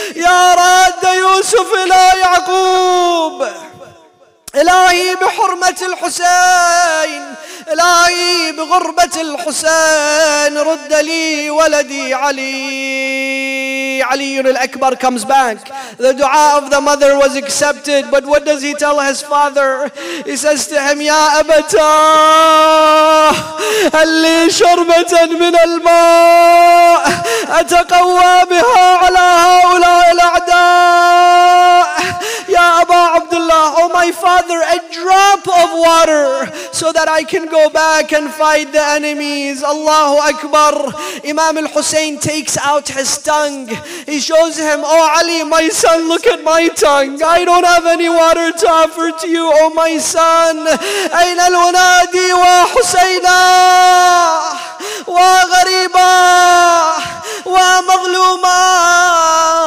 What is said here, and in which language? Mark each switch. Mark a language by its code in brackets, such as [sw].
[ar] يا رد يوسف إلى يعقوب إلهي بحرمة الحسين إلهي بغربة الحسين رد لي ولدي علي. [en] علي الأكبر comes back. The dua of the mother was accepted, but what does he tell his father? He says to him, [ar] يا أبتا هل لي شربة من الماء أتقوى بها على هؤلاء الأعداء. يا أبا عبد الله, [en] oh my father, a drop of water so that I can go back and fight the enemies. Allahu Akbar. Imam Hussein takes out his tongue. He shows him, oh Ali, my son, look at my tongue. I don't have any water to offer to you, oh my son. [ar] أين الونادي وحسينا وغريبا ومظلوما.